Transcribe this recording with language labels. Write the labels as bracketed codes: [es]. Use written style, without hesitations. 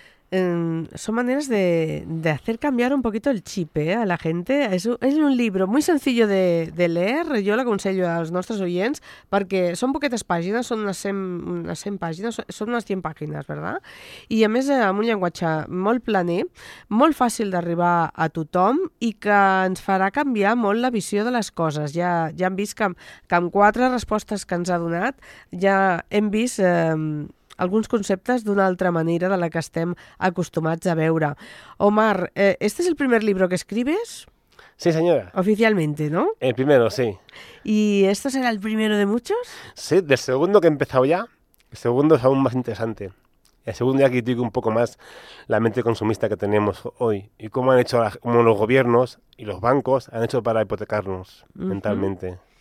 [es] Son maneras de hacer cambiar un poquito el chip, ¿eh?, a la gente. Es un libro muy sencillo de leer. Yo lo aconsello a los nuestros oyentes porque son poquetes páginas, son unas 100 páginas, ¿verdad? [ca] I a més, amb un llenguatge molt planer, molt fàcil d'arribar a tothom i que ens farà canviar molt la visió de les coses. Ja hem vist que amb 4 respostes que ens ha donat ja hem vist alguns conceptes d'una altra manera de la que estem acostumats a veure. [es] Omar, ¿este es el primer libro que escribes? Sí, señora. Oficialmente, ¿no? El primero, sí. ¿Y esto será el primero de muchos? Sí, del segundo que he empezado ya. El segundo es aún más interesante. El segundo ya critico un poco más la mente consumista que tenemos hoy y cómo han hecho cómo los gobiernos y los bancos han hecho para hipotecarnos mentalmente.